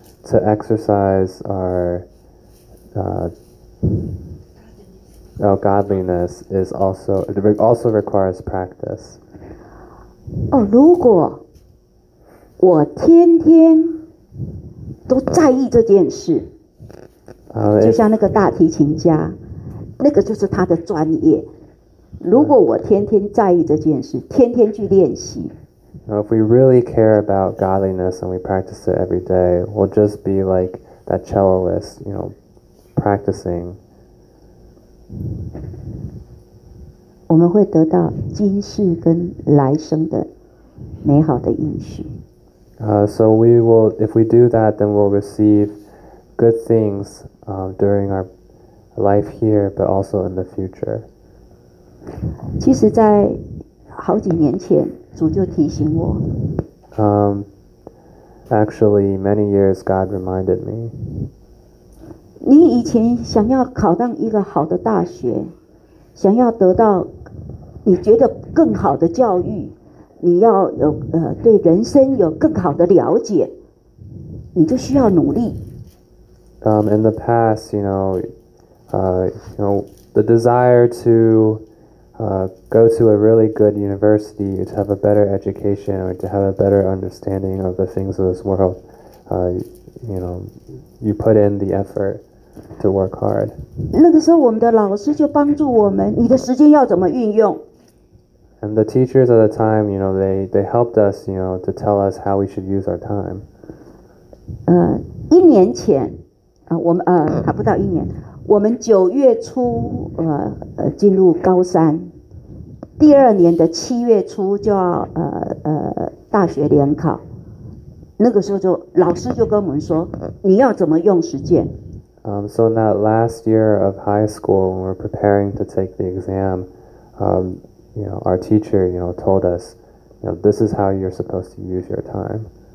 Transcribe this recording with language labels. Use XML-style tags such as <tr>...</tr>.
<en>To exercise our godliness is also requires practice.</en> <zh>哦，如果我天天都在意这件事，就像那个大提琴家，那个就是他的专业。如果我天天在意这件事，天天去练习。</zh> <en>Now, if we really care about godliness and we practice it every day, we'll just be like that celloist, you know, practicing.</en> <zh>我们会得到今世跟来生的美好的应许。</zh> <en>So we will, if we do that, then we'll receive good things during our life here, but also in the future.</en> <zh>其实，在好几年前，主就提醒我。</zh> <en>Actually, many years, God reminded me.</en> <zh>你以前想要考上一个好的大学，想要得到你觉得更好的教育，你要有对人生有更好的了解，你就需要努力。</zh> <en>In the past, you know, the desire to go to a really good university, to have a better education, or to have a better understanding of the things of this world, you put in the effort. To work hard.</en> <zh>那个时候，我们的老师就帮助我们，你的时间要怎么运用？</zh> <en>And the teachers at the time, you know, they helped us, you know, to tell us how we should use our time.</en> <zh>一年前，我们还不到一年，我们九月初进入高三。第二年的七月初就要大学联考，那个时候就老师就跟我们说，你要怎么用实践。</zh> <en>So in that last year of high school, when we're preparing to take the exam, you know, our teacher, you know, told us, you know, this is how you're supposed to use your time.</en>